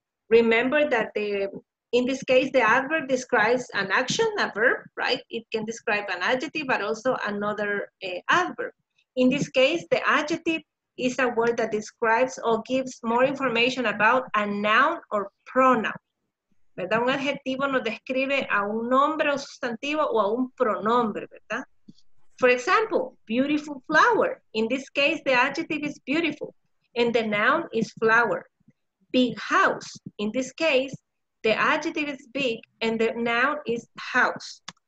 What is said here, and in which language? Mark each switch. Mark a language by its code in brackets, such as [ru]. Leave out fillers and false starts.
[en] Remember that in this case, the adverb describes an action, a verb, right? It can describe an adjective, but also another adverb. In this case, the adjective is a word that describes or gives more information about a noun or pronoun. [es] ¿Verdad? Un adjetivo nos describe a un nombre o sustantivo o a un pronombre, ¿verdad? [en] For example, beautiful flower. In this case, the adjective is beautiful, and the noun is flower. Big house. In this case, the adjective is big and the noun is house.